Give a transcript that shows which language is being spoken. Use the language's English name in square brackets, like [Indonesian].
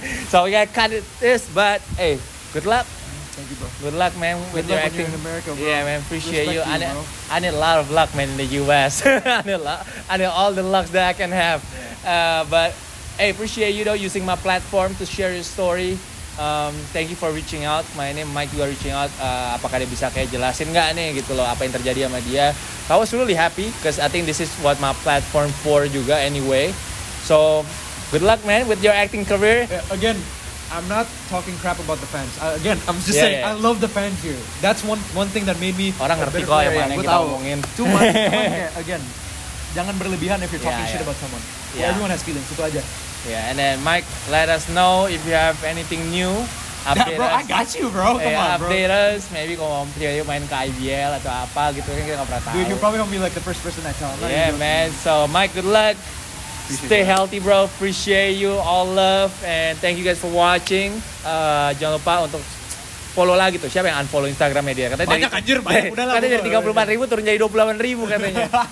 [English] So we gotta cut it this, but hey, good luck. Thank you, bro. Good luck, man, with good your acting. In America, bro. Yeah, man, appreciate you. I need a lot of luck, man, in the US. I need all the luck that I can have. But hey, appreciate you though using my platform to share your story. Thank you for reaching out. My name Mike, you are reaching out. [Indonesian] Apakah dia bisa kayak jelasin nggak nih gitu loh apa yang terjadi sama dia? [English] I was really happy because I think this is what my platform for juga anyway. So good luck, man, with your acting career. Again, I'm not talking crap about the fans. I'm just saying. I love the fans here. That's one thing that made me. [Indonesian] Orang ngerti kok yang mana kita ngomongin. [English] Too much. Again, [Indonesian] jangan berlebihan [English] if you're talking shit about someone. Yeah. Well, everyone has feelings. [Indonesian] Itu aja. [English] Yeah, and then Mike, let us know if you have anything new. Update us. I got you, bro. Come on, update us. [Indonesian] Maybe kalau mau pergi main ke IBL atau apa gitu kan kita nggak pernah tahu. [English] Dude, you're probably gonna be like the first person I tell. Yeah, man. So Mike, good luck. Stay healthy, bro. Appreciate you, all love, and thank you guys for watching. [Indonesian] Jangan lupa untuk follow lagi tuh. Siapa yang unfollow Instagram media? Katanya banyak. Udah lah. Katanya dari 34,000 turun jadi 28,000 katanya.